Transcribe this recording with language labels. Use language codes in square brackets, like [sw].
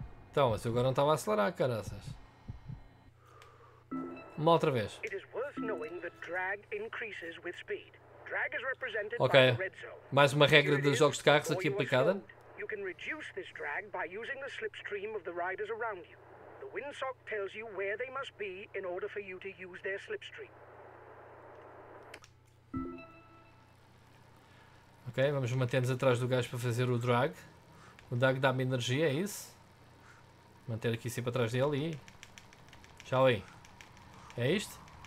[pt] Então, mas eu agora não estava a acelerar, caraças. Uma outra vez. [en] It is worth knowing that drag increases with speed. Drag is represented okay. by the red zone. [pt] Mais uma regra dos jogos de carros aqui aplicada. [en] You can reduce this drag by using the slipstream of the riders around you. The windsock tells you where they must be in order for you to use their slipstream. [pt] Ok, vamos manter-nos atrás do gajo para fazer o drag. O drag dá-me energia, é isso? Manter aqui sempre atrás dele e... Tchau aí. É isto?